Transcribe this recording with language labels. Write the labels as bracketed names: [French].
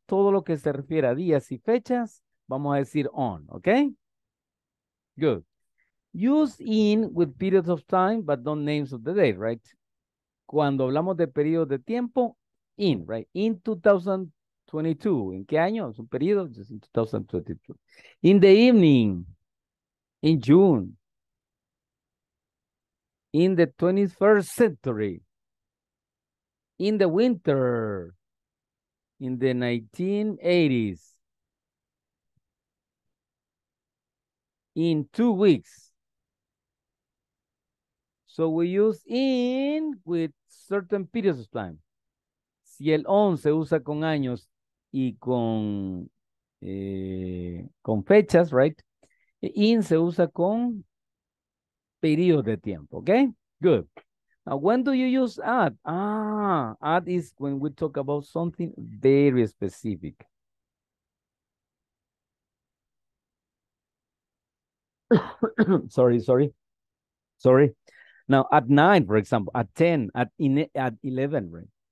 [Spanish] Todo lo que se refiere a días y fechas, vamos a decir on, okay? [English] Good. Use in with periods of time, but not names of the day, right? [Spanish] Cuando hablamos de periodos de tiempo, in, right? [English] In 2022. [Spanish] ¿En qué año? Es un periodo. [English] Just in 2022. In the evening. In June. In the 21st century. In the winter. In the 1980s. In 2 weeks. So we use in with certain periods of time. [Spanish] Si el on se usa con años y con fechas, right? In se usa con periodos de tiempo, okay? [English] Good. Now, when do you use at? At is when we talk about something very specific. Sorry. Now, at 9, for example, at 10, at 11, right?